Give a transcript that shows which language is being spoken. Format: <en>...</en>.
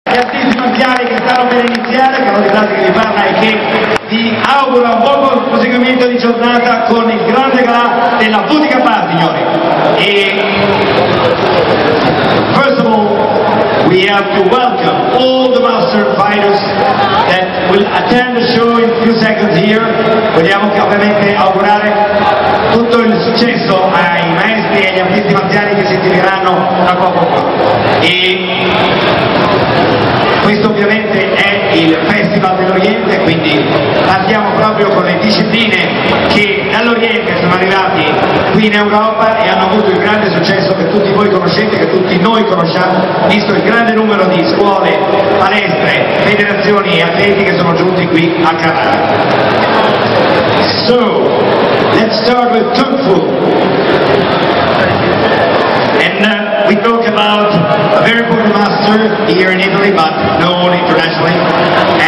<it>ringraziamo per iniziare, che non si tratta di farla, e che vi auguro un buon proseguimento di giornata con il grande gala della Boutique Bar, signori.</it> <en>E first of all, we have to welcome all the master fighters that will attend the show in a few seconds here.</en> <it>Vogliamo ovviamente augurare tutto il successo ai maestri e agli artisti marziali che si esibiranno tra poco qua. E questo ovviamente è il Festival dell'Oriente, quindi partiamo proprio con le discipline che dall'Oriente sono arrivati qui in Europa e hanno avuto il grande successo che tutti voi conoscete, che tutti noi conosciamo, visto il grande numero di scuole, palestre, federazioni e atleti che sono giunti qui a Carrara.</it> <en>So, let's start with Kung Fu. And we talk about a very important master here in Italy, but known internationally.</en>